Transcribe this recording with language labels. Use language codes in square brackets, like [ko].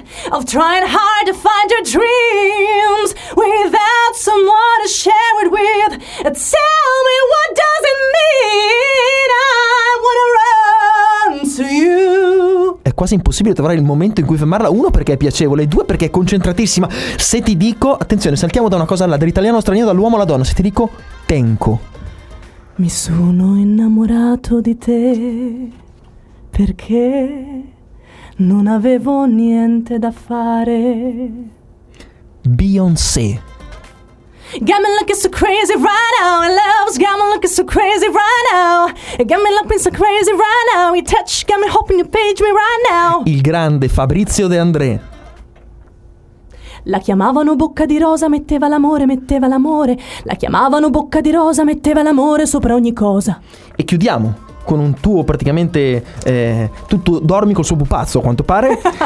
[en] Of trying hard to find your dreams without someone to share it with. Tell me what does it mean. I wanna run to you. [it] È quasi impossibile trovare il momento in cui fermarla. Uno, perché è piacevole. Due, perché è concentratissima. Se ti dico, attenzione, saltiamo da una cosa all'altra, dall'italiano straniero, dall'uomo alla donna. Se ti dico Tenco. Mi sono innamorato di te perché non avevo niente da fare. Beyoncé. [en] Got me looking so crazy right now. Love's got me looking so crazy right now. Got me looking so crazy right now. You touch, got me hoping you page me right now. [it] Il grande Fabrizio De André. La chiamavano bocca di rosa, metteva l'amore, metteva l'amore. La chiamavano bocca di rosa, metteva l'amore sopra ogni cosa. E chiudiamo con un tuo praticamente tutto dormi col suo pupazzo a quanto pare.